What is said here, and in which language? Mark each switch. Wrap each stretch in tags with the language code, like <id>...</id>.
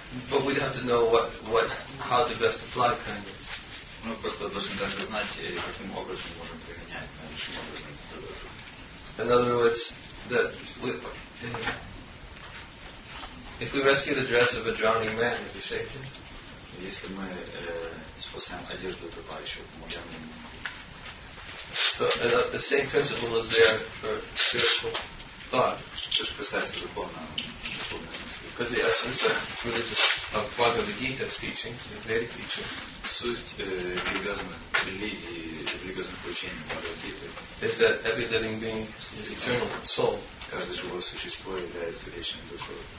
<en>But we'd have to know how to best apply kindness.</en> <ru>Ну просто должны даже знать, каким образом можем применять, каким образом это делать.</ru> <en>In other words, that with if we rescue the dress of a drowning man, if we saved him.</en> <ru>Если мы спасаем одежду утопающего, помогаем ему.</ru> <en>So the same principle is there for spiritual thought.</en> <ru>Что же касается духовного мысли.</ru> <en>Because the essence of religious of Bhagavad Gita's teachings, the Vedic teachings,</en> <ru>суть религиозных религий, религиозных учений Бхагавад Гиты,</ru> <en>is that every living being is eternal soul.</en> <ru>Каждое живое существо является вечным душой.</ru>